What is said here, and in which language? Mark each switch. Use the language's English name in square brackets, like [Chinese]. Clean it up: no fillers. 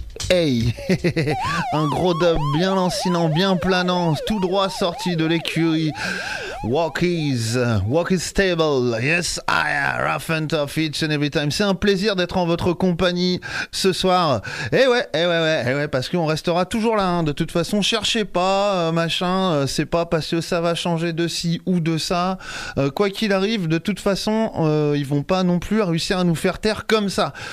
[French] Hey, un gros dub bien lancinant, bien planant, tout droit sorti de l'écurie. [English] Walkies, Walkies Stable, yes I am, rough and tough each and every time. [French] C'est un plaisir d'être en votre compagnie ce soir. Et ouais, parce qu'on restera toujours là, hein. De toute façon, cherchez pas, machin, c'est pas parce que ça va changer de ci ou de ça. Quoi qu'il arrive, de toute façon, ils vont pas non plus réussir à nous faire taire comme ça.